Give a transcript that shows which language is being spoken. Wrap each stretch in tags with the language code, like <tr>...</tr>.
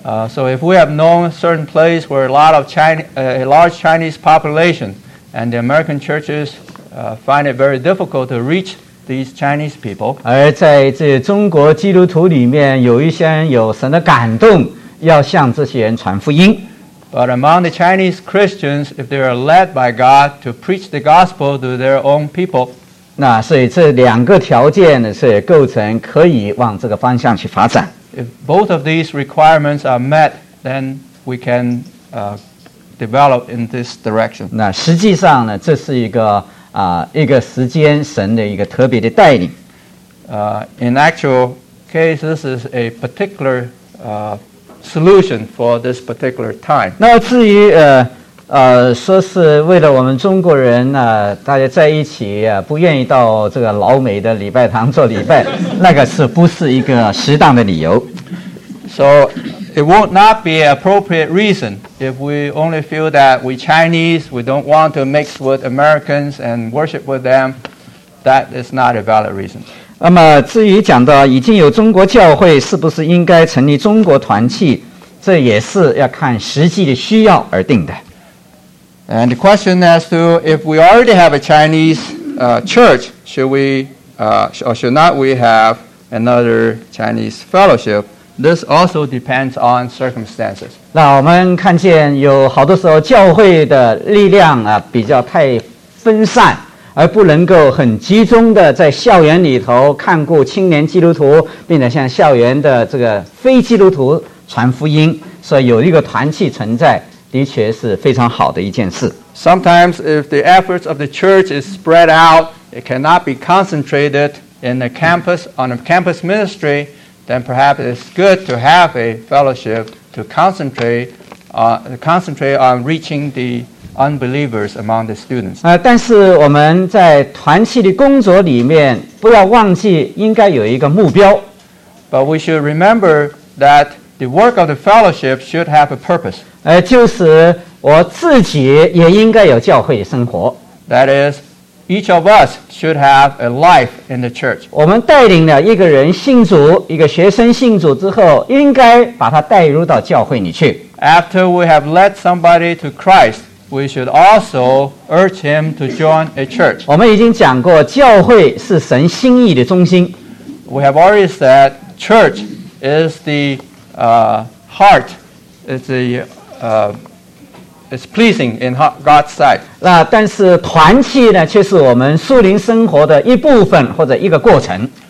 <en>So if we have known a certain place where a large Chinese population and the American churches find it very difficult to reach these Chinese people.</en> <zh>而在这中国基督徒里面有一些人有神的感动要向这些人传福音。</zh> <en>But among the Chinese Christians, if they are led by God to preach the gospel to their own people,</en> <zh>那所以这两个条件呢是构成可以往这个方向去发展。</zh> <en>If both of these requirements are met, then we can develop in this direction.</en> <zh>那实际上呢，这是一个一个时间神的一个特别的带领。</zh> <en>In actual case, this is a particular solution for this particular time.</en> <zh>那至于说是为了我们中国人呢，大家在一起不愿意到这个老美的礼拜堂做礼拜，那个是不是一个适当的理由</zh> <en>？So it will not be an appropriate reason if we only feel that we Chinese we don't want to mix with Americans and worship with them. That is not a valid reason.</en> <zh>那么至于讲到已经有中国教会，是不是应该成立中国团契，这也是要看实际的需要而定的。</zh> <en>And the question as to if we already have a Chinese church, should we or should not we have another Chinese fellowship? This also depends on circumstances.</en> <zh>那我们看见有好多时候教会的力量比较太分散，而不能够很集中的在校园里头看顾青年基督徒，并且向校园的这个非基督徒传福音，所以有一个团契存在。的确是非常好的一件事。</zh> <en>Sometimes, if the efforts of the church is spread out, it cannot be concentrated in the campus on a campus ministry. Then perhaps it's good to have a fellowship to concentrate on reaching the unbelievers among the students.</en> <zh>但是我们在团契的工作里面，不要忘记应该有一个目标。</zh> <en>But we should remember that the work of the fellowship should have a purpose.</en> <zh>就是我自己也应该有教会的生活。</zh> <en>That is, each of us should have a life in the church.</en> <zh>我们带领了一个人信主，一个学生信主之后，应该把他带入到教会里去。</zh> <en>After we have led somebody to Christ, we should also urge him to join a church.</en> <zh>我们已经讲过，教会是神心意的中心。</zh> <en>We have already said church is the heart, is the it's pleasing in God's sight.</en> <zh>那但是团契呢，却是我们属灵生活的一部分或者一个过程。</zh>